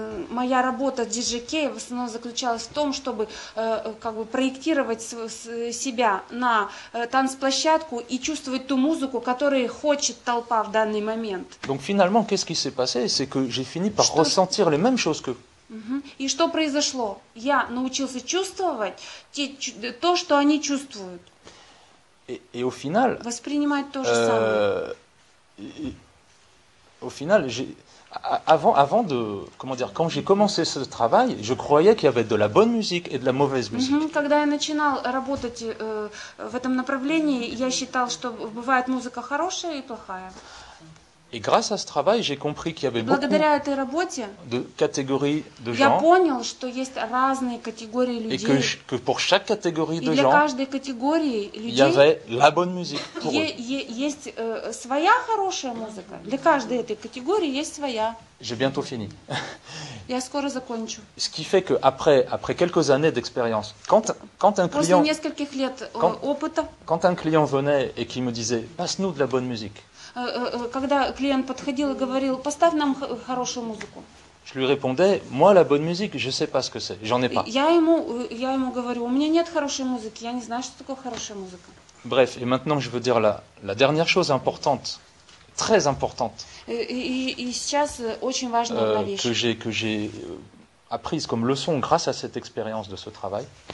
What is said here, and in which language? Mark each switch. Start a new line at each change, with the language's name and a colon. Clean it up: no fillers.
Russian: Моя работа диджея в основном заключалась в том, чтобы как бы проектировать себя на танцплощадку и чувствовать ту музыку, которую хочет толпа в данный момент.
French: Donc finalement, qu'est-ce qui s'est passé? C'est que j'ai fini par ressentir les mêmes choses que.
Russian: И что произошло? Я научился чувствовать то, что они чувствуют.
French: Et au final.
Russian: Воспринимать то же самое.
French: Au final, avant de, comment dire, quand j'ai commencé ce travail, je croyais qu'il y avait de la bonne musique et de la mauvaise musique.
Russian: Когда я начинал работать в этом направлении, я считал, что бывает музыка хорошая и плохая.
French: Et grâce à ce travail, j'ai compris qu'il y avait
Russian: благодаря этой работе,
French: de catégories de
Russian: я
French: gens,
Russian: понял, что есть разные категории людей.
French: Et que pour chaque catégorie de
Russian: для
French: gens,
Russian: каждой категории людей,
French: il y avait la bonne musique pour
Russian: есть своя хорошая музыка. Для каждой этой категории есть своя.
French: J'ai bientôt fini.
Russian: Я скоро закончу.
French: Ce qui fait que après quelques années d'expérience, quand un client,
Russian: после нескольких лет опыта,
French: quand un client venait et qui me disait, passe-nous de la bonne musique.
Russian: Когда клиент подходил и говорил, поставь нам хорошую музыку.
French: Je lui répondais, moi la bonne musique, je sais pas ce que c'est, j'en ai pas.
Russian: Я ему говорю, у меня нет хорошей музыки, я не знаю, что такое хорошая музыка.
French: Bref, et maintenant je veux dire la dernière chose importante, très importante.
Russian: И сейчас очень важная вещь.
French: Que j'ai apprise comme leçon grâce à cette expérience de ce travail.